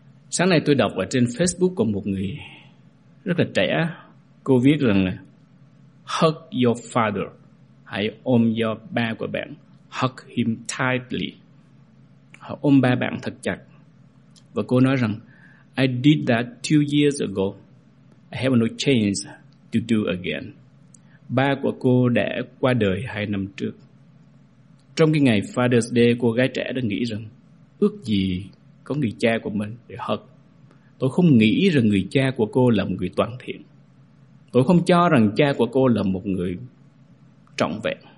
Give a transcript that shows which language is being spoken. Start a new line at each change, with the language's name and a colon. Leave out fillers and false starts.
Vietnamese: Sáng nay tôi đọc ở trên Facebook của một người rất là trẻ, cô viết rằng hug your father, hãy ôm your ba của bạn, hug him tightly, hãy ôm ba bạn thật chặt.
English: Và cô nói rằng I did that 2 years ago, I have no chance to do again.
Vietnamese: Ba của cô đã qua đời 2 năm trước. Trong cái ngày Father's Day, cô gái trẻ đã nghĩ rằng ước gì có người cha của mình để hug. Tôi không nghĩ rằng người cha của cô là một người toàn thiện. Tôi không cho rằng cha của cô là một người trọn vẹn.